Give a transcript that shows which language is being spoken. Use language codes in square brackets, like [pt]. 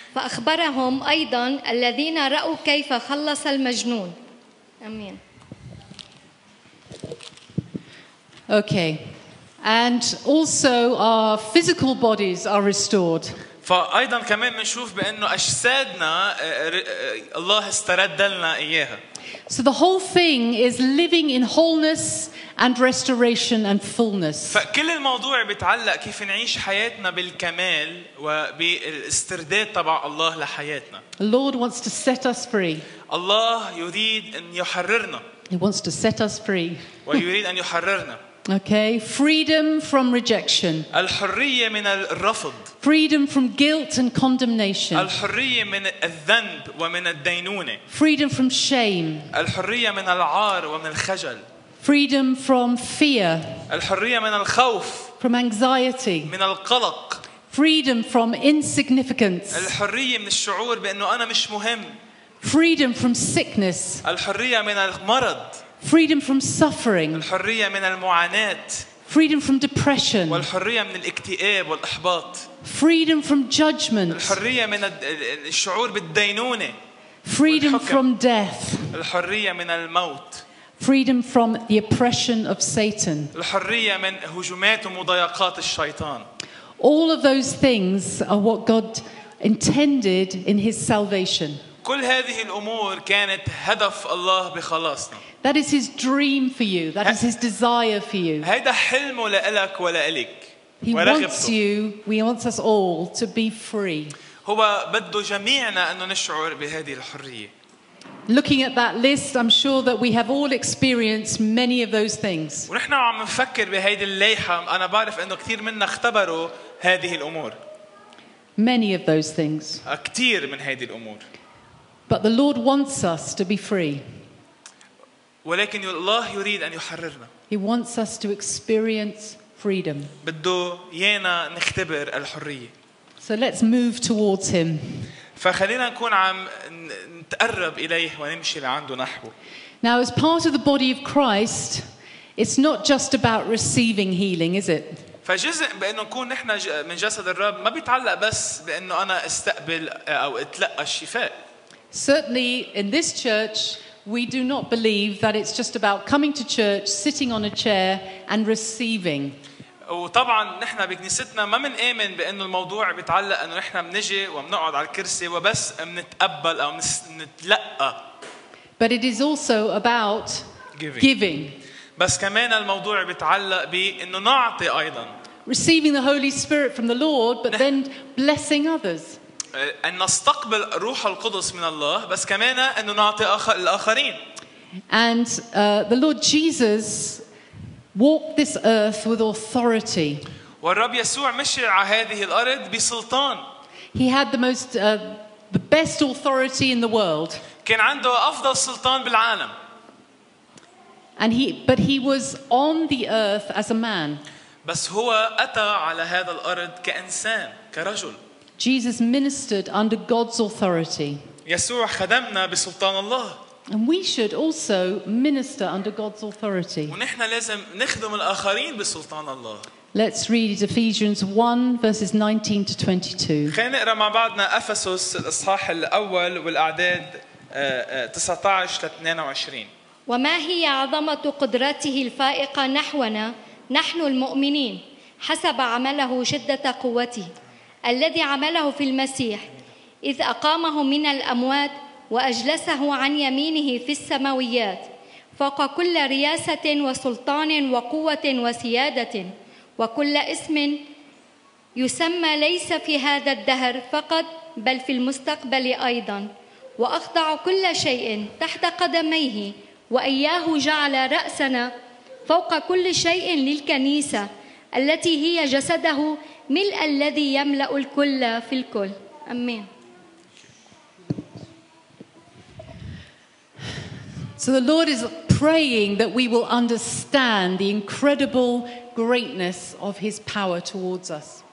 [ar] فأخبرهم أيضا الذين رأوا كيف خلص المجنون. آمين. [en] Okay. And also our physical bodies are restored. [ar] فأيضا كمان منشوف بأنه أجسادنا الله استرد لنا إياها. [en] So the whole thing is living in wholeness and restoration and fullness. [ar] فكل الموضوع بيتعلق كيف نعيش حياتنا بالكمال وبالاسترداد تبع الله لحياتنا. [en] The Lord wants to set us free. [ar] الله يريد أن يحررنا. [en] He wants to set us free. [ar] ويريد أن يحررنا. [en] Okay, freedom from rejection. [ar] الحرية من الرفض. [en] Freedom from guilt and condemnation. [ar] الحرية من الذنب ومن الدينونة. [en] Freedom from shame. [ar] الحرية من العار ومن الخجل. [en] Freedom from fear. [ar] الحرية من الخوف. [en] From anxiety. [ar] من القلق. [en] Freedom from insignificance. [ar] الحرية من الشعور بأنه أنا مش مهم. [en] Freedom from sickness. [ar] الحرية من المرض. [en] Freedom from suffering. [ar] الحرية من المعاناة. [en] Freedom from depression. [ar] والحرية من الاكتئاب والإحباط. [en] Freedom from judgment. [ar] الحرية من الشعور بالدينونة. [en] Freedom from death. [ar] الحرية من الموت. [en] Freedom from the oppression of Satan. [ar] الحرية من هجمات ومضايقات الشيطان. [en] All of those things are what God intended in His salvation. [ar] كل هذه الأمور كانت هدف الله بخلاصنا. [en] That is His dream for you. That is His desire for you. [ar] هيدا حلمه لإلك ولإلك. [en] He wants you. We want us all to be free. [ar] هو بده جميعنا أنه نشعر بهذه الحرية. [en] Looking at that list, I'm sure that we have all experienced many of those things. [ar] ونحن عم نفكر بهيدي الليحة. أنا بعرف إنه كثير منا اختبروا هذه الأمور. [en] Many of those things. [ar] كثير من هذه الأمور. [en] But the Lord wants us to be free. [ar] ولكن الله يريد أن يحررنا. [en] He wants us to experience freedom. [ar] بده يينا نختبر الحرية. [en] So let's move towards Him. [ar] فخلينا نكون عم نتقرب إليه ونمشي لعنده نحوه. [en] Now, as part of the body of Christ, it's not just about receiving healing, is it? [ar] فجزء بأنه نكون نحن من جسد الرب ما بيتعلق بس بأنه أنا استقبل أو أتلقى الشفاء. [en] Certainly, in this church, we do not believe that it's just about coming to church, sitting on a chair, and receiving. [ar] وطبعاً نحن بكنيستنا ما منآمن بأنه الموضوع بيتعلق أنه نحن منجي ومنقعد على الكرسي وبس منتقبل أو نتلقى. [en] But it is also about giving. [ar] بس كمان الموضوع بيتعلق بأنه نعطي أيضاً. [en] Receiving the Holy Spirit from the Lord, but then blessing others. [ar] أن نستقبل روح القدس من الله بس كمان أنه نعطي الآخرين. [en] And the Lord Jesus walked this earth with authority. [ar] والرب يسوع مشي على هذه الأرض بسلطان. [en] He had the most the best authority in the world. [ar] كان عنده أفضل سلطان بالعالم. [en] And he was on the earth as a man. [ar] بس هو أتى على هذا الأرض كإنسان كرجل. [en] Jesus ministered under God's authority. [ar] يسوع خدمنا بسلطان الله. [en] And we should also minister under God's authority. [ar] ونحن لازم نخدم الآخرين بسلطان الله. [en] Let's read Ephesians 1 verses 19 to 22. [ar] خلينا نقرأ مع بعضنا أفسس الإصحاح الأول والأعداد 19 ل 22. وما هي عظمة قدرته الفائقة نحونا نحن المؤمنين حسب عمله شدة قوته الذي عمله في المسيح إذ أقامه من الأموات وأجلسه عن يمينه في السماويات فوق كل رياسة وسلطان وقوة وسيادة وكل اسم يسمى ليس في هذا الدهر فقط بل في المستقبل أيضا وأخضع كل شيء تحت قدميه وإياه جعل رأسنا فوق كل شيء للكنيسة التي هي جسده ملء الذي يملأ الكل في الكل أمين. [en] So the Lord is praying that we will understand the incredible greatness of His power towards us.